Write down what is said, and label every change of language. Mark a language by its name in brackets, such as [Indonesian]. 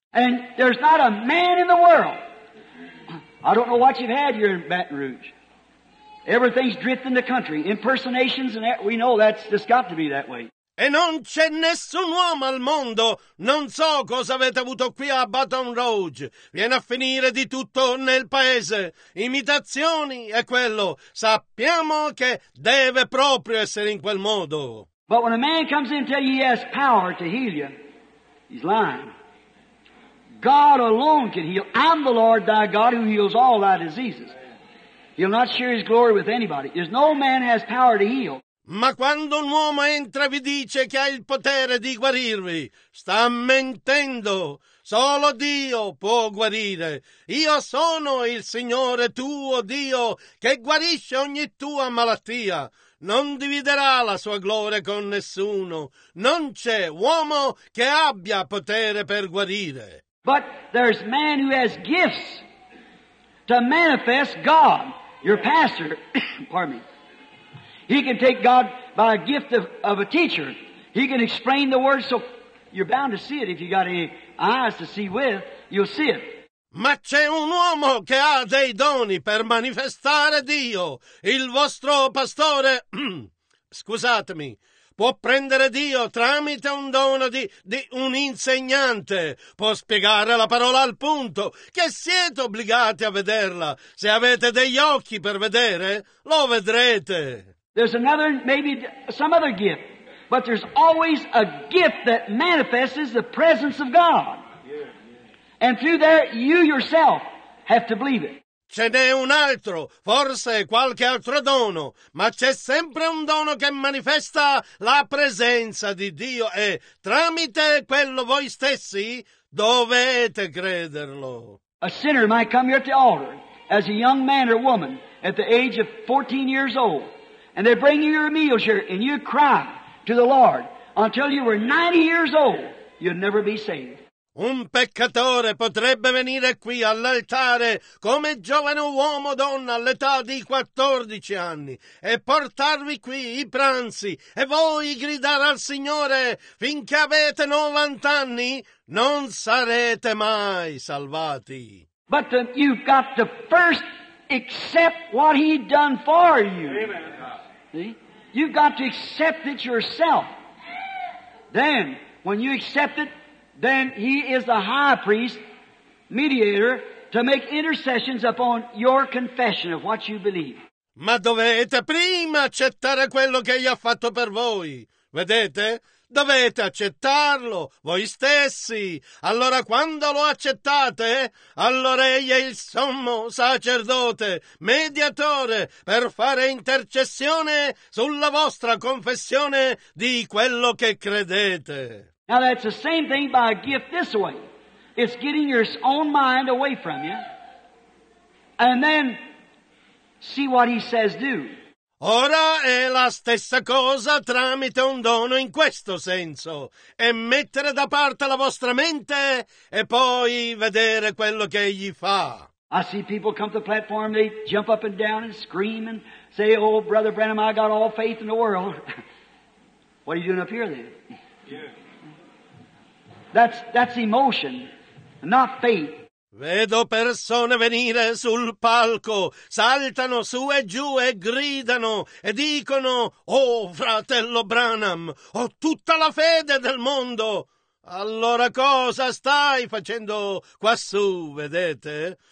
[English] And there's not a man in the world. I don't know what you've had here in Baton Rouge. Everything's drifting the country. Impersonations, and we know that's just got to be that way. [Italian] E non c'è nessun uomo al mondo. Non so cosa avete avuto qui a Baton Rouge. Viene a finire di tutto nel paese. Imitazioni è quello. Sappiamo che deve proprio essere in quel modo. [English] But when a man comes in and tells you he has power to heal you, he's lying. God alone can heal. I'm the Lord thy God who heals all thy diseases. He'll not share his glory with anybody. There's no man has power to heal. [Italian] Ma quando un uomo entra e vi dice che ha il potere di guarirvi, sta mentendo. Solo Dio può guarire. Io sono il Signore tuo Dio che guarisce ogni tua malattia. Non dividerà la sua gloria con nessuno. Non c'è uomo che abbia potere per guarire. [English] But there's man who has gifts to manifest God. Your pastor, pardon me, he can take God by a gift of a teacher. He can explain the word, so you're bound to see it. If you got any eyes to see with, you'll see it. [Italian] Ma c'è un uomo che ha dei doni per manifestare Dio. Il vostro pastore, scusatemi, può prendere Dio tramite un dono di un insegnante. Può spiegare la parola al punto, che siete obbligati a vederla. Se avete degli occhi per vedere, lo vedrete. [English] There's another, maybe some other gift, but there's always a gift that manifests the presence of God. And through there, you yourself have to believe it. [Italian] Ce n'è un altro, forse qualche altro dono, ma c'è sempre un dono che manifesta la presenza di Dio e tramite quello voi stessi dovete crederlo. [English] A sinner might come here at the altar as a young man or woman at the age of 14 years old, and they bring you your meals here, and you cry to the Lord until you were 90 years old, you'd never be saved. [Italian] Un peccatore potrebbe venire qui all'altare come giovane uomo o donna all'età di 14 anni e portarvi qui i pranzi e voi gridare al Signore finché avete 90 anni non sarete mai salvati. [English] But you've got to first accept what he done for you. Amen. See? You've got to accept it yourself. Then, when you accept it, then he is the high priest, mediator, to make intercessions upon your confession of what you believe. [Italian] Ma dovete prima accettare quello che egli ha fatto per voi. Vedete? Dovete accettarlo voi stessi. Allora quando lo accettate, allora egli è il sommo sacerdote, mediatore, per fare intercessione sulla vostra confessione di quello che credete. [English] Now that's the same thing by a gift this way. It's getting your own mind away from you. And then see what he says do. [Italian] Ora è la stessa cosa tramite un dono in questo senso. È mettere da parte la vostra mente e poi vedere quello che egli fa. [English] I see people come to the platform, they jump up and down and scream and say, oh, Brother Branham, I got all faith in the world. What are you doing up here then? Yeah. That's emotion, not faith. [Italian] Vedo persone venire sul palco, saltano su e giù e gridano e dicono, oh fratello Branham, ho tutta la fede del mondo. Allora cosa stai facendo quassù, vedete?